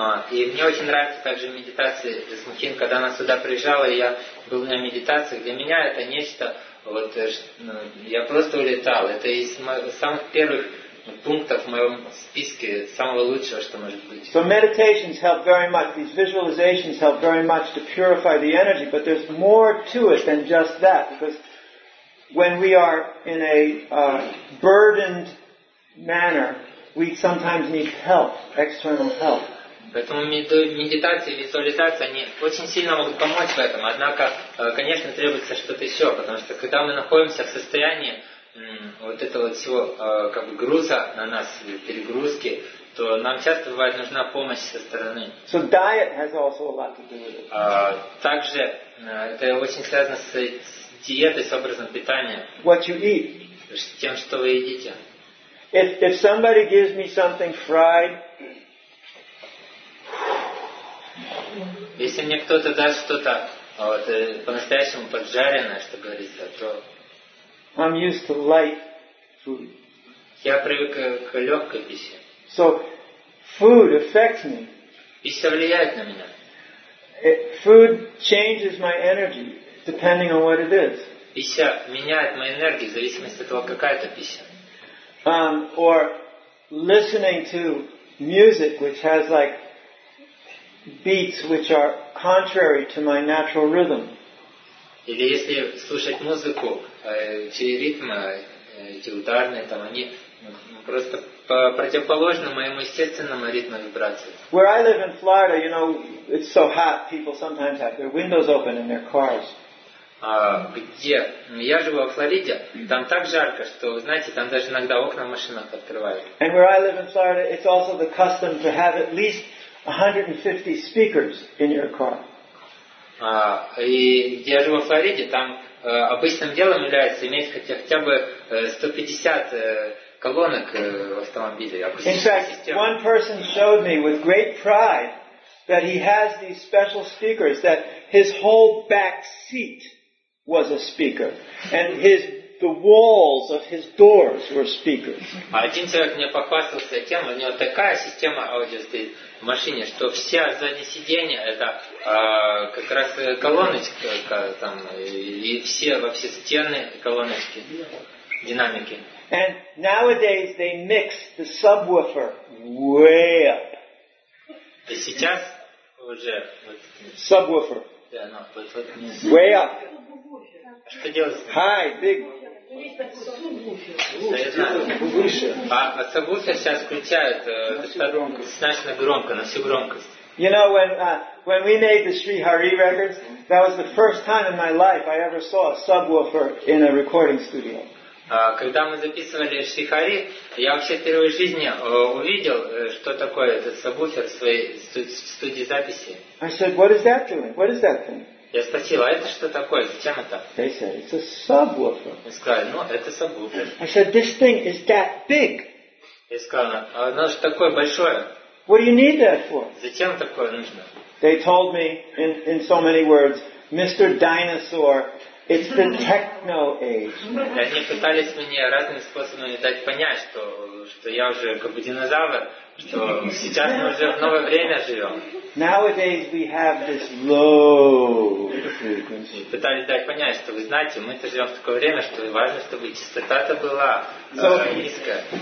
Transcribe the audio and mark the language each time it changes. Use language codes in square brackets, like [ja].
[ru] И мне очень нравится также медитация Джасмин Хин, когда она сюда приезжала, и я был на медитации. Для меня это нечто, вот я просто улетал. Это из самых первых пунктов в моем списке самого лучшего, что может быть. [en] So meditations help very much. These visualizations help very much to purify the energy. But there's more to it than just that, because when we are in a burdened manner, we sometimes need help, external help. [ru] Поэтому медитация и визуализация, они очень сильно могут помочь в этом. Однако, конечно, требуется что-то еще, потому что когда мы находимся в состоянии вот этого всего как бы груза на нас, перегрузки, то нам часто бывает нужна помощь со стороны. [en] So diet has also a lot to do with it. [ru] Также это очень связано с диетой, с образом питания. [en] What you eat. [ru] С тем, что вы едите. [en] If somebody gives me something fried, [ru] если мне кто-то даст что-то вот, по-настоящему поджаренное, что говорится, то [en] I'm used to light food. [ru] Я привык к легкой пище. [en] So food affects me. [ru] Пища влияет на меня. [en] Food changes my energy depending on what it is. [ru] Пища меняет мою энергию в зависимости от того, какая это пища. [en] Or listening to music, which has like beats which are contrary to my natural rhythm. [ru] Или если слушать музыку, чьи ритмы, эти ударные, там они просто противоположны моему естественному ритму вибрации. [en] Where I live in Florida, you know, it's so hot, people sometimes have their windows open in their cars. [ru] Где? Я живу во Флориде, там так жарко, что, знаете, там даже иногда окна в машинах открывают. [en] And where I live in Florida, it's also the custom to have at least 150 speakers in your car. [ru] И я живу в Флориде, там обычным делом является иметь хотя бы 150 колонок в автомобиле. [en] In fact, one person showed me with great pride that he has these special speakers, that his whole back seat was a speaker, and his the walls of his doors were speakers. [ru] Один человек мне похвастался тем, у него такая система аудио стоит в машине, что все задние сиденья это как раз колоночка там и все вообще стены колоночки динамики. [en] And nowadays they mix the subwoofer way up. [ru] И сейчас уже [en] subwoofer. [ru] Да, но [en] way up. [ru] Что делать? Hi, big. А сабвуфер сейчас включают достаточно громко, на всю громкость. [en] You know, when when we made the Sri Hari records, that was the first time in my life I ever saw a subwoofer in a recording studio. [ru] Когда мы записывали Шри Хари, я вообще впервые в жизни увидел, что такое этот сабвуфер в своей студии записи. [en] I said, what is that doing? What is that thing? [ru] Я спросил, а это что такое? Зачем это? [en] They said, it's a subwoofer. [ru] Они сказали, ну, это сабвуфер. [en] I said, this thing is that big. [ru] Я сказал, а оно же такое большое. [en] What do you need that for? [ru] Зачем такое нужно? [en] They told me, in so many words, Mr. Dinosaur, it's the techno age. [ru] Они пытались мне разными способами дать понять, что я уже как бы динозавр, что сейчас мы уже в новое время живем. [en] Nowadays we have this low frequency. [ru] Пытались дать понять, что вы знаете, мы это живем в такое время, что важно, чтобы частота-то была низкая.